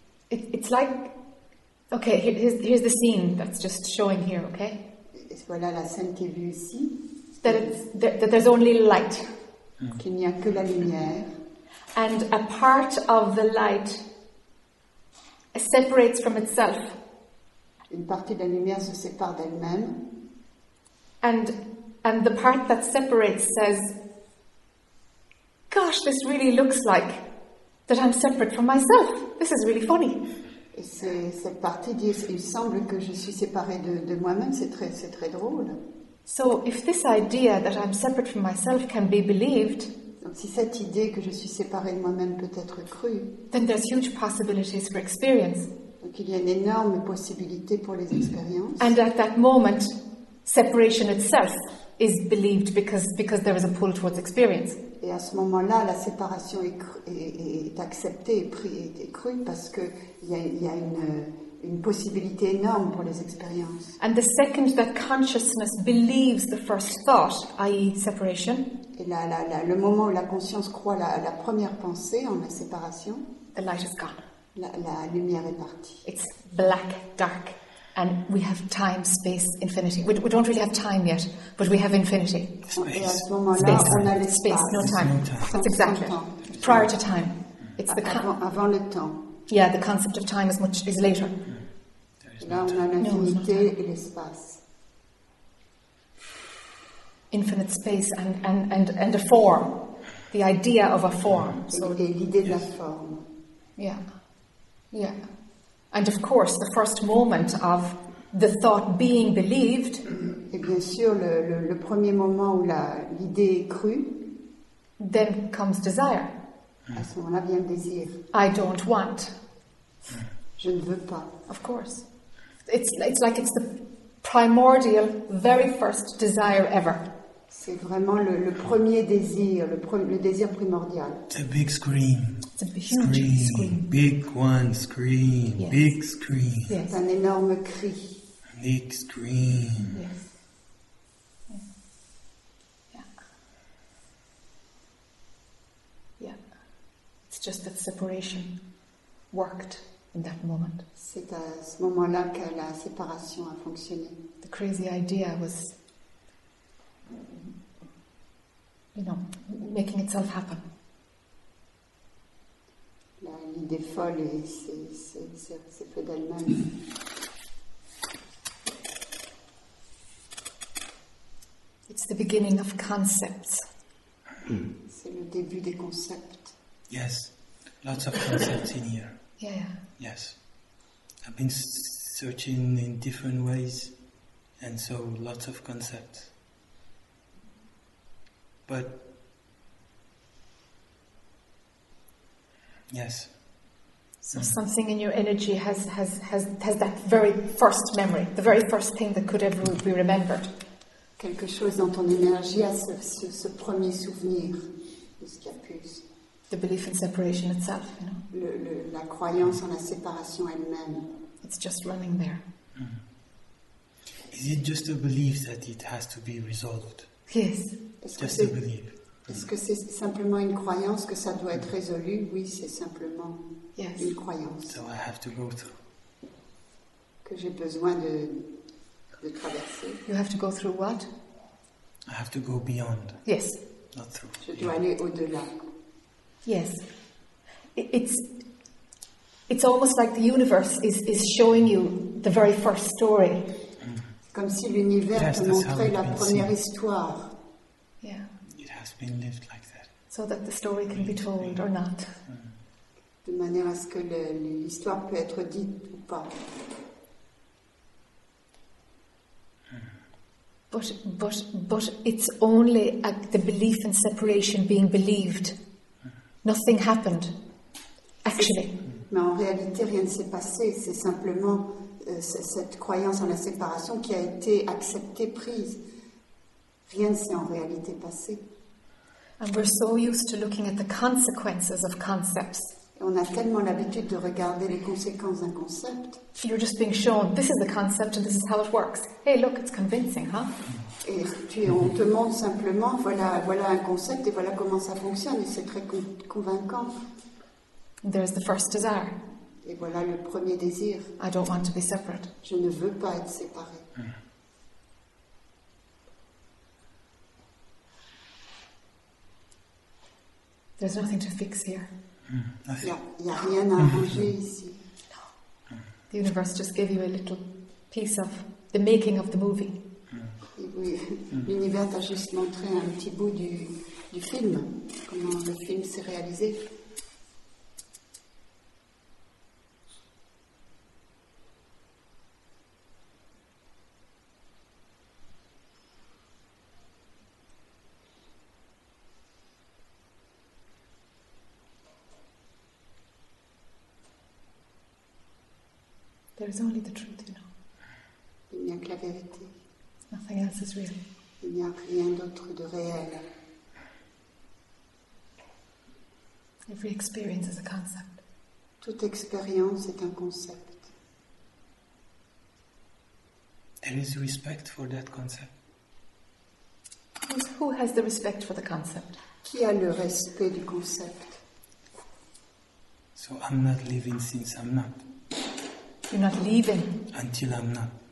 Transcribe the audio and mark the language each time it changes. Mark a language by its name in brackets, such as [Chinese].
[English] It's like, okay, here's the scene that's just showing here, okay? [French] Et voilà la scène qui est vue ici. [English] That there's only light. [French] Qu'il n'y a que la lumière. [English] And a part of the light separates from itself. [French] Une partie de la lumière se sépare d'elle-même. [English] And the part that separates says, gosh, this really looks like that I'm separate from myself. This is really funny. [French] Et cette partie dit, il semble que je suis séparée de moi-même. C'est très drôle. [English] So if this idea that I'm separate from myself can be believed, [French] donc si cette idée que je suis séparée de moi-même peut être crue, [English] then there's huge possibilities for experience. [French] Donc il y a une énorme possibilité pour les expériences. [English] And at that moment, separation itself is believed because there is a pull towards experience. [French] Et à ce moment-là, la séparation est acceptée et est crue parce que il y a une possibilité énorme pour les expériences. [English] And the second that consciousness believes the first thought, i.e. separation, [French] et là, le moment où la conscience croit la première pensée en la séparation, [English] the light is gone. [French] La lumière est partie. [English] It's black, dark, and we have time, space, infinity. We don't really have time yet, but we have infinity. Space. Space. Space. Space. No time. That's exactly [French] temps. [English] Prior to time. It's the [French] avant le temps. [English] Yeah, the concept of time is later. [French] Là, on a l'infinité et l'espace. [English] Infinite space and a form. The idea of a form. [French] Et l'idée de la forme. [English] Yeah. Yeah. And of course, the first moment of the thought being believed. [French] Et bien sûr, le premier moment où l'idée est crue. [English] Then comes desire. [French] À ce moment-là vient le désir. [English] I don't want. [French] Je ne veux pas. [English] Of course. It's like it's the primordial, very first desire ever. [French] C'est vraiment le premier désir, le désir primordial. [English] The big scream. It's a huge scream. Big one scream. Yes. Big scream. Yes. [French] C'est un énorme cri. [English] Big scream. Yes. Just that separation worked in that moment. [French] C'est à ce moment-là que la séparation a fonctionné. [English] The crazy idea was, making itself happen. [French] L'idée folle s'est fait d'elle-même. [English] It's the beginning of concepts. [French] C'est le début des concepts. [English] Yes. Lots of concepts in here. Yeah. Yes. I've been searching in different ways, and so lots of concepts. But, yes. So something in your energy has that very first memory, the very first thing that could ever be remembered. [French] Quelque chose dans ton énergie a ce premier souvenir de ce qui a pu. [English] The belief in separation itself, [French] La croyance en la séparation elle-même. [English] It's just running there. Mm-hmm. Is it just a belief that it has to be resolved? Yes. Just a belief. [French] Est-ce que c'est simplement une croyance que ça doit être résolu? Oui, c'est simplement [English] yes. [French] Une croyance. [English] So I have to go through. [French] que j'ai besoin de traverser. [English] You have to go through what? I have to go beyond. Yes. Not through. [French] Je dois aller au-delà. [English] Yes. It's almost like the universe is showing you the very first story. [French] Comme si l'univers te montrait la première histoire. [English] Yeah. It has been lived like that. So that the story can be told or not. [French] De manière à ce que l'histoire peut être dite ou pas. [English] But it's only the belief in separation being believed. Nothing happened, actually. [French] Mais en réalité, rien ne s'est passé. C'est simplement cette croyance en la séparation qui a été acceptée, prise. Rien ne s'est en réalité passé. [English] And we're so used to looking at the consequences of concepts. [French] Et on a tellement l'habitude de regarder les conséquences d'un concept. [English] You're just being shown, this is the concept and this is how it works. Hey, look, it's convincing, huh? [French] Et on te montre simplement, voilà un concept et voilà comment ça fonctionne. Et c'est très convaincant. [English] There's the first desire. [French] Et voilà le premier désir. [English] I don't want to be separate. [French] Je ne veux pas être séparé. [English] There's nothing to fix here. [French] Il n'y a rien à arranger ici. [English] No. The universe just gave you a little piece of the making of the movie. [French] Oui. L'univers t'a juste montré un petit bout du film, comment le film s'est réalisé. [English] There is only the truth, you know. [French] Il n'y a que la vérité. [English] Nothing else is real. [French] Il n'y a rien d'autre de réel. [English] Every experience is a concept. [French] Toute expérience est un concept. [English] There is respect for that concept. Who has the respect for the concept? [French] Qui a le respect du concept? [English] So I'm not living since I'm not. You're not leaving. Until I'm not.